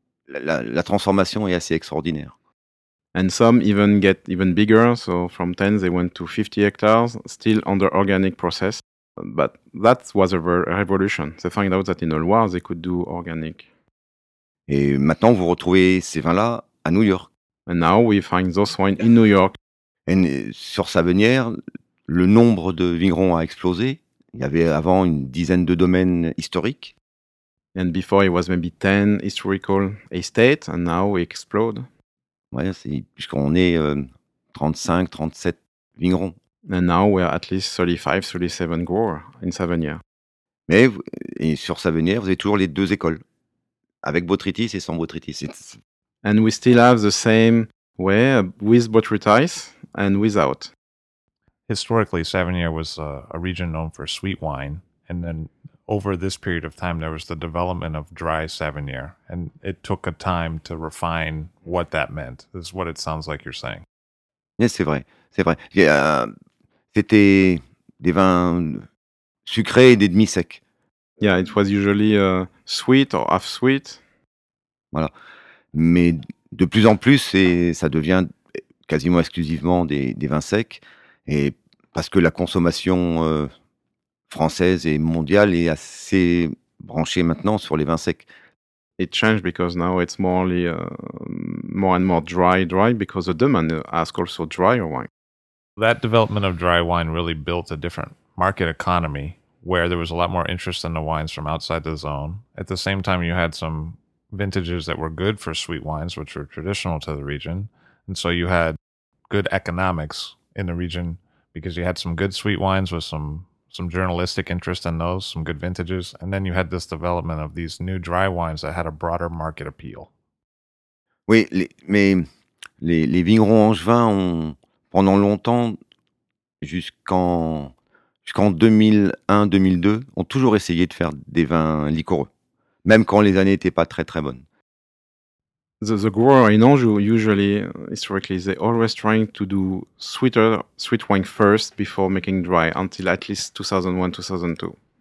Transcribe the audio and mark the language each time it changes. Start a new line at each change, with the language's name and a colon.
French: La transformation est assez extraordinaire.
English: And some even get even bigger, so from 10 they went to 50 hectares, still under organic process. But that was a revolution. They found out that in the Loire they could do organic.
French: Et maintenant vous retrouvez ces vins-là à New York.
English: And now we find those wines in New York.
French: Et sur Savenière, le nombre de vignerons a explosé. Il y avait avant une dizaine de domaines historiques.
English: And before it was maybe 10 historical estates, and now we explode.
French: Ouais, c'est puisqu'on est 35, 37 vignerons.
English: And now we are at least 35, 37 growers in Savenière.
French: Mais et sur Savenière, vous avez toujours les deux écoles, avec botrytis et sans botrytis.
English: And we still have the same way with botrytis and without. Historically, Savenière was a region known for sweet wine, and then over this period of time, there was the development of dry Savenière, and it took a time to refine what that meant. This is what it sounds like you're saying.
French: Yes, c'est vrai, c'est vrai. C'était des vins sucrés et des demi-secs.
English: Yeah, it was usually sweet or half sweet.
French: Voilà. Mais de plus en plus, ça devient quasiment exclusivement des vins secs, et parce que la consommation française et mondiale est assez branchée maintenant sur les vins secs.
English: It changed because now it's more and more dry, because the demand ask also drier wine. That development of dry wine really built a different market economy where there was a lot more interest in the wines from outside the zone. At the same time, you had some vintages that were good for sweet wines, which were traditional to the region. And so you had good economics in the region because you had some good sweet wines with some journalistic interest in those, some good vintages. And then you had this development of these new dry wines that had a broader market appeal.
French: Oui, mais les vignerons angevins ont, pendant longtemps, jusqu'en 2001-2002, ont toujours essayé de faire des vins liquoreux, même quand les années n'étaient pas très très bonnes.
English: The grower in Anjou, usually, historically, they always trying to do sweet wine first before making dry, until at least 2001-2002.